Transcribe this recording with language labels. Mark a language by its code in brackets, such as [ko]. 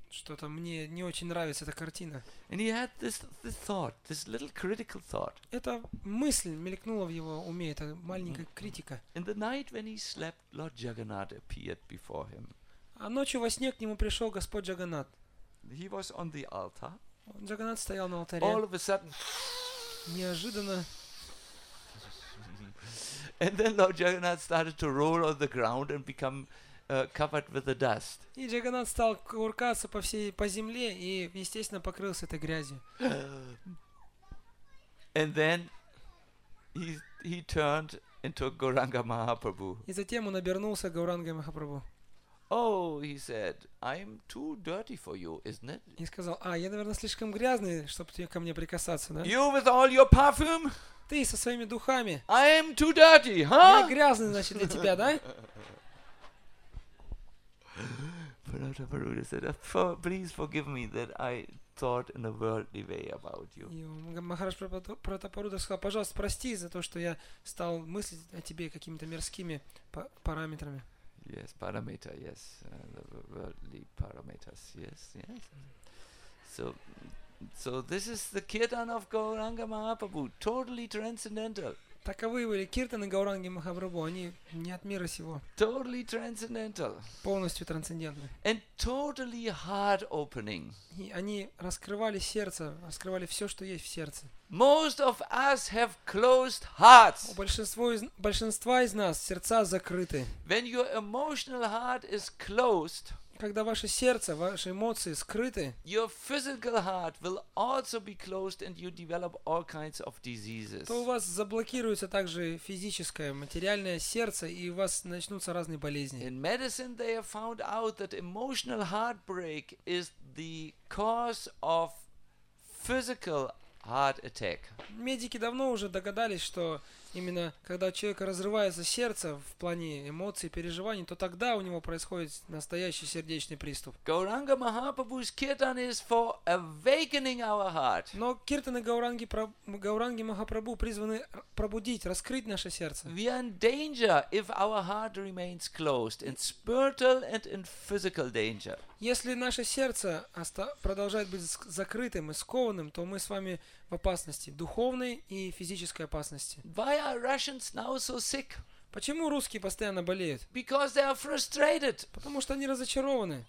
[ru] Что-то мне не очень нравится эта картина. [en] And he had this thought, this little critical thought. [ru] Эта мысль мелькнула в его уме, эта маленькая критика. [en] In the night when he slept, Lord Jagannath appeared before him. [ru] А ночью во сне к нему пришел Господь Джаганнат. [en] He was on the altar. [ru] Джаганнат стоял на алтаре. [en] All of a sudden, [ru] неожиданно. [en] And then Lord Jagannath started to roll on the ground and become covered with the dust. [ru] И Джаганнат стал куркаться по всей по земле и естественно покрылся этой грязью. [en] And then he turned into Gauranga Mahaprabhu. [ru] И затем он обернулся Гаурангой Махапрабху. [en] Oh, he said, I'm too dirty for you, isn't it? [ru] И сказал: "А, я, наверное, слишком грязный, чтобы ко мне прикасаться, да?" [en] You with all your perfume? [ru] Ты со своими духами. [en] I am too dirty, huh? [ru] Я грязный, значит, для тебя, да? [en] Prataparudra said, please forgive me that I thought in a worldly way about you. [ru] И Махарадж Пратапарудра сказал: "Пожалуйста, прости за то, что я стал мыслить о тебе какими-то мерзкими параметрами." [en] Yes, parameter, yes. The worldly parameters, yes, yes. So this is the kirtan of Gauranga Mahaprabhu, totally transcendental. [ru] Таковы были киртаны Гауранги Махапрабху, они не от мира сего. [en] Totally transcendental. [ru] Полностью трансцендентны. [en] And totally heart-opening. [ru] И они раскрывали сердце, раскрывали все, что есть в сердце. [en] Most of us have closed hearts. [ru] Большинство из нас сердца закрыты. [en] When your emotional heart is closed, [ru] когда ваше сердце, ваши эмоции скрыты, [en] your physical heart will also be closed, and you develop all kinds of diseases. [ru] То у вас заблокируется также физическое, материальное сердце, и у вас начнутся разные болезни. [en] In medicine, they have found out that emotional heartbreak is the cause of physical heart attack. [ru] Медики давно уже догадались, что именно когда у человека разрывается сердце в плане эмоций, переживаний, то тогда у него происходит настоящий сердечный приступ. [en] Gauranga Mahaprabhu's kirtan is for awakening our heart. [ru] Но киртаны Гауранги Махапрабху призваны пробудить, раскрыть наше сердце. [en] We are in danger if our heart remains closed, in spiritual and in physical danger. [ru] Если наше сердце продолжает быть закрытым и скованным, то мы с вами в опасности, духовной и физической опасности. [en] Why are Russians now so sick? [ru] Почему русские постоянно болеют? [en] Because they are frustrated. [ru] Потому что они разочарованы.